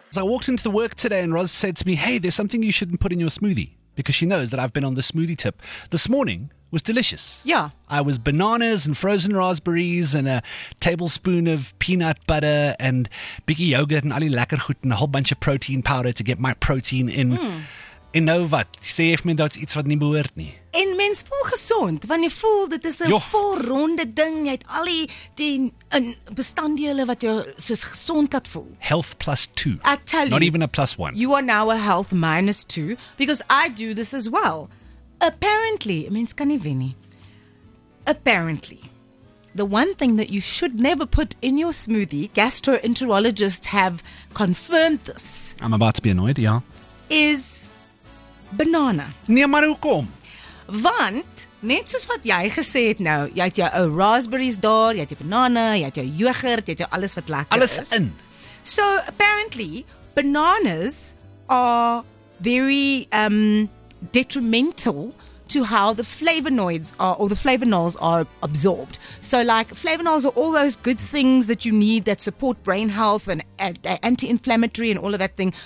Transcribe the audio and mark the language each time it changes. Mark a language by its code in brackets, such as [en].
[en] As I walked into the work today and Roz said to me, hey, there's something you shouldn't put in your smoothie, because she knows that I've been on the smoothie tip. This morning was delicious. Yeah. I was bananas and frozen raspberries and a tablespoon of peanut butter and bigi yogurt and [af] ali lekker goed [en] and a whole bunch of protein powder to get my protein in. [af] En nou wat? Sê jy vir my dat iets wat nie behoort nie? En mens voel gesond, want jy voel dit is 'n volronde ding. Jy het al die bestanddele wat jou soos gesond laat voel. [en] Health plus two. I tell you. Not even a plus one. You are now a health minus two, because I do this as well. [af] Apparently, mens kan nie wen nie. Apparently. [en] The one thing that you should never put in your smoothie, gastroenterologists have confirmed this. I'm about to be annoyed, yeah. Is... banana. [af] Nee, maar hoekom? Want, net soos wat jy gesê het nou, jy het jou ou raspberries daar, jy het jou banane, jy het jou yoghurt, jy het jou alles wat lekker alles is. Alles in. [en] So, apparently, bananas are very detrimental to how the flavonoids are, or the flavonols are absorbed. So, like, flavonols are all those good things that you need that support brain health and anti-inflammatory and all of that thing.